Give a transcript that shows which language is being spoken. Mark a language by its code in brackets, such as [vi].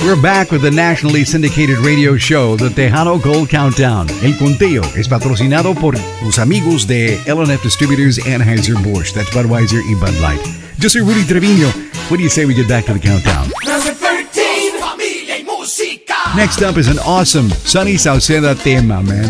[en] We're back with the nationally syndicated radio show, the Tejano Gold Countdown. [es] El Conteo es patrocinado por los amigos de L&F Distributors, Anheuser-Busch. [en] That's Budweiser and Bud Light. [es] Yo soy Rudy Treviño. [en] What do you say we get back to the countdown? Number 13, Familia y Música. Next up is an awesome Sonny Sauceda tema, man.